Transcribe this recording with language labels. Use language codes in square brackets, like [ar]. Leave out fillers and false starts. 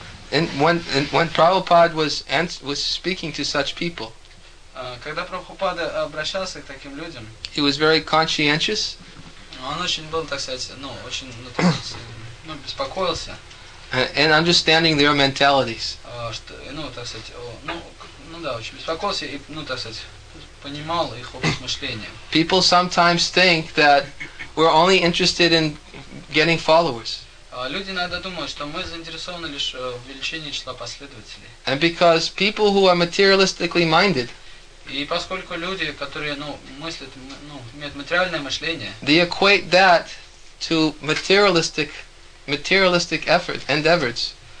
[en] And when Prabhupada was speaking to such people, [ru] когда Прабхупада обращался к таким людям, [en] he was very conscientious. [ru] Он очень был, так сказать, ну, очень, ну, так сказать, ну, беспокоился. [en] And understanding their mentalities. [ru] Что, ну, так сказать, ну, ну да, очень беспокоился и, ну, так сказать, понимал их образ мышления. [en] People sometimes think that we're only interested in getting followers. [ru] Люди иногда думают, что мы заинтересованы лишь в увеличении числа последователей. [en] And because people who are materialistically minded, [ru] и поскольку люди, которые, ну, мыслят, ну, имеют материальное мышление, [en] they equate that to materialistic effort, endeavors.